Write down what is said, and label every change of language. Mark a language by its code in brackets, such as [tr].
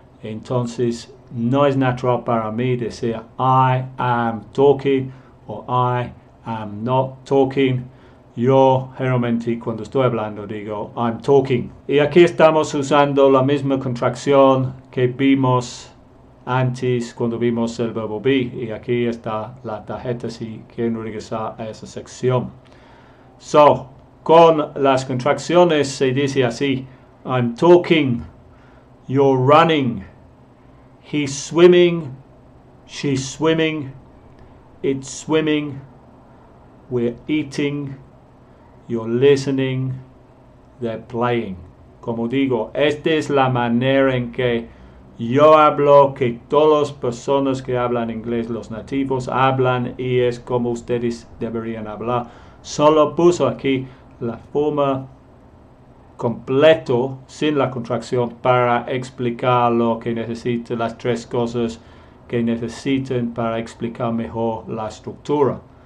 [es] Entonces, no es natural para mí decir [en] I am talking o I am not talking. [es] Yo generalmente cuando estoy hablando digo [en] I'm talking. [es] Y aquí estamos usando la misma contracción que vimos antes cuando vimos el verbo be, y aquí está la tarjeta si quieren regresar a esa sección. [en] So, [es] con las contracciones se dice así: [en] I'm talking, you're running, he's swimming, she's swimming, it's swimming, we're eating, you're listening, they're playing. [es] Como digo, esta es la manera en que yo hablo, que todas las personas que hablan inglés, los nativos, hablan, y es como ustedes deberían hablar. Solo puso aquí la forma completo, sin la contracción, para explicar lo que necesitan, las tres cosas que necesitan para explicar mejor la estructura.